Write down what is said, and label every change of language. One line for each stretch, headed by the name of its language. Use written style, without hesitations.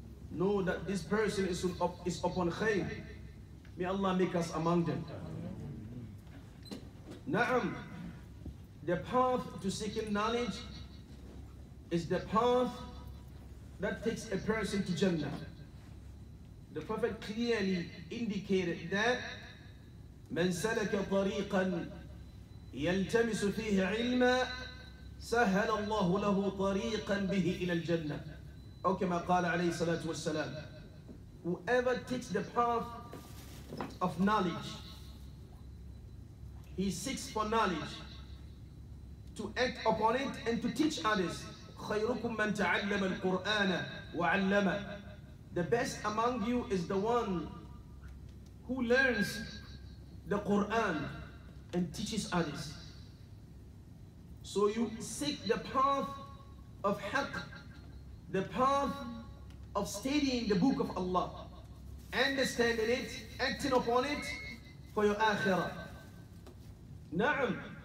English: Know that this person is upon khair. May Allah make us among them. Na'am, the path to seeking knowledge is the path that takes a person to Jannah. The Prophet clearly indicated that
Arabic: من سلك طريقا يلتمس فيه علما سهل الله له طريقا به إلى الجنة. أو كما قال عليه الصلاة والسلام,
English: whoever takes the path of knowledge, he seeks for knowledge to act upon it and to teach others.
Arabic: خيركم من تعلم القرآن وعلم.
English: The best among you is the one who learns the Quran and teaches others. So you seek the path of haqq, the path of studying the book of Allah, understanding it, acting upon it for your akhirah. Na'am.